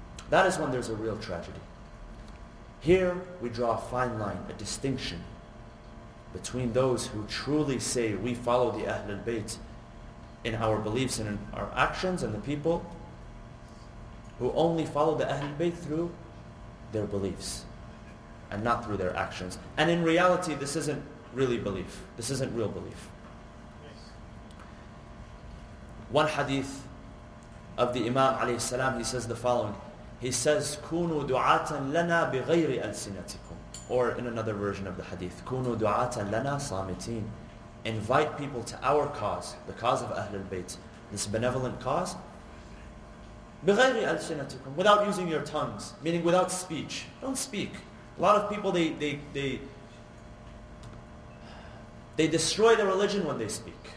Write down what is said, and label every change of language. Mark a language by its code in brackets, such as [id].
[en] That is when there's a real tragedy. Here, we draw a fine line, a distinction between those who truly say we follow the Ahlul Bayt in our beliefs and in our actions, and the people who only follow the Ahlul Bayt through their beliefs and not through their actions. And in reality, this isn't really belief. This isn't real belief. One hadith of the Imam alayhi salam, he says the following. He says, [ar] كُونُوا دُعَاتًا لَنَا بِغَيْرِ أَلْسِنَتِكُمْ. [en] Or in another version of the hadith, [ar] كُونُوا دُعَاتًا لَنَا صَامِتِينَ. [en] Invite people to our cause, the cause of Ahlul Bayt, this benevolent cause, [ar] بِغَيْرِ أَلْسِنَتِكُمْ, [en] without using your tongues, meaning without speech. Don't speak. A lot of people, they destroy the religion when they speak.